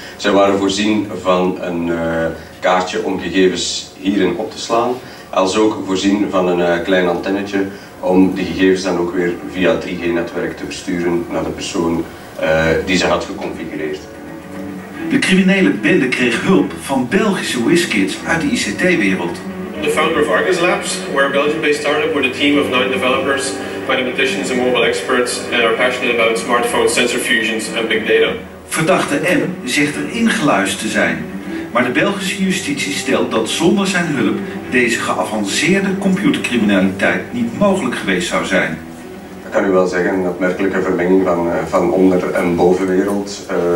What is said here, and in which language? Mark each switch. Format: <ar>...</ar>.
<nl>Zij waren voorzien van een kaartje om gegevens hierin op te slaan als ook voorzien van een klein antennetje om de gegevens dan ook weer via het 3G-netwerk te versturen naar de persoon die ze had geconfigureerd. De criminele bende kreeg hulp van Belgische whizkids uit de ICT-wereld.</nl> <en>The founder of Argus Labs, where a Belgium-based startup with a team of 9 developers, mathematicians and mobile experts and are passionate about smartphone sensor fusions and big data.</en> <nl>Verdachte M zegt er ingeluisterd te zijn, maar de Belgische justitie stelt dat zonder zijn hulp deze geavanceerde computercriminaliteit niet mogelijk geweest zou zijn. Ik kan u wel zeggen, een opmerkelijke vermenging van onder- en bovenwereld.</nl>